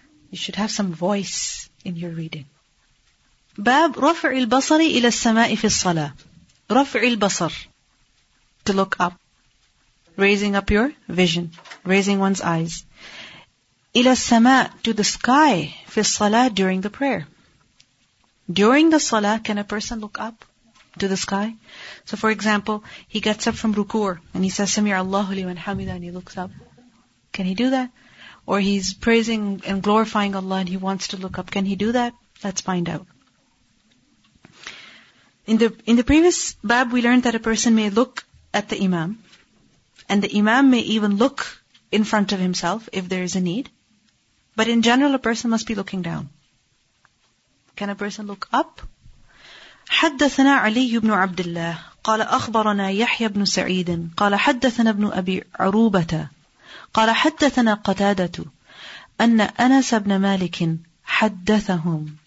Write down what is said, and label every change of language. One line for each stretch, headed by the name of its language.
English: You should have some voice in your reading.
Arabic: باب رفع البصر إلى السماء في الصلاة. رفع البصر.
English: To look up. Raising up your vision. Raising one's eyes.
Arabic: إلى السماء,
English: to the sky,
Arabic: في الصلاة,
English: during the prayer. During the صلاة, can a person look up to the sky? So for example, he gets up from ruku' and he says,
Arabic: Samia Allahu liman hamida,
English: and he looks up. Can he do that? Or he's praising and glorifying Allah and he wants to look up. Can he do that? Let's find out. In the previous bab, we learned that a person may look at the imam, and the imam may even look in front of himself if there is a need. But in general, a person must be looking down. Can a person look up?
Arabic: حدثنا علي بن عبد الله قال أخبرنا يحيى بن سعيد قال حدثنا ابن أبي عروبة قال حدثنا قتادة أن أنس بن مالك حدثهم.